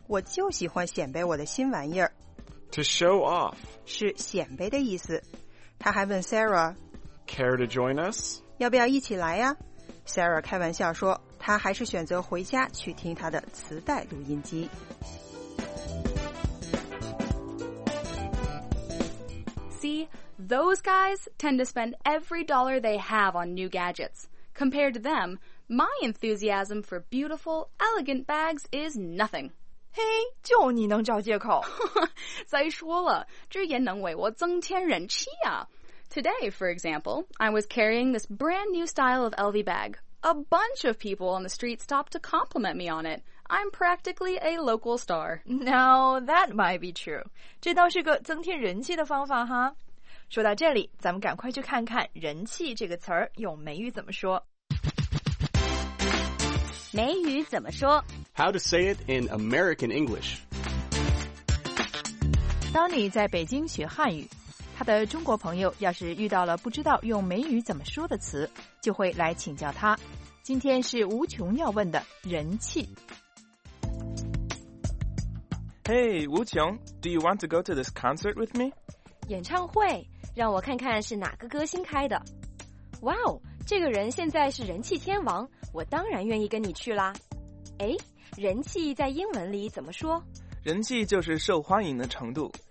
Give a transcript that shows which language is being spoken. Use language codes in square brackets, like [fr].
[zh] 我就喜欢显摆我的新玩意儿。 [en] To show off. [zh] 是显摆的意思。他还问 Sarah, [en] Care to join us? [zh] 要不要一起来呀 ?Sarah 开玩笑说他还是选择回家去听他的磁带录音机。 [en] See, those guys tend to spend every dollar they have on new gadgets. Compared to them, my enthusiasm for beautiful, elegant bags is nothing. [zh] Hey, 就你能找借口。再说了，这也能为我增添人气啊。 [en] Today, for example, I was carrying this brand new style of LV bag. A bunch of people on the street stopped to compliment me on it. I'm practically a local star. Now, that might be true. [zh] 这倒是个增添人气的方法哈。说到这里，咱们赶快去看看人气这个词儿用美语怎么说。美语怎么说 [en] ?How to say it in American English. [zh] 当你在北京学汉语，他的中国朋友要是遇到了不知道用美语怎么说的词，就会来请教他。今天是无穷要问的人气。 [en] Hey, Wu Qiong, do you want to go to this concert with me? [zh] 演唱会，让我看看是哪个歌星开的。哇哦，这个人现在是人气天王，我当然愿意跟你去啦。哎，人气在英文里怎么说？人气就是受欢迎的程度。